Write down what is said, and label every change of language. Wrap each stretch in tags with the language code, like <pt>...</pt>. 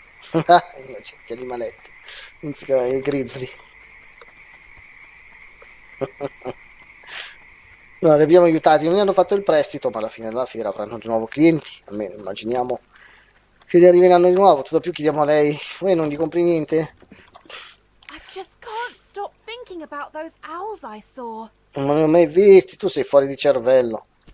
<it>Innocenti animaletti, non si chiamano i grizzly. No, li abbiamo aiutati, non gli hanno fatto il prestito, ma alla fine della fiera avranno di nuovo clienti, almeno immaginiamo che li arriveranno di nuovo, tutto più chiediamo a lei, voi non gli compri niente?</it> <en>I just can't stop thinking about those owls I saw.</en> <it>Non li ho mai visti, tu sei fuori di cervello.</it>